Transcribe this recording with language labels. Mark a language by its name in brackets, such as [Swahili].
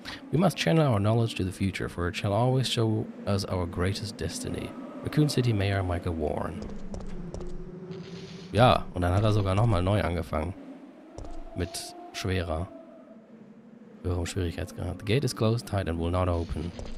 [English] We must channel our knowledge to the future, for it shall always show us our greatest destiny. Raccoon City Mayor Michael Warren. [German] Ja, und dann hat er sogar nochmal neu angefangen. Mit schwerer. Höherem Schwierigkeitsgrad. [English] The gate is closed tight and will not open.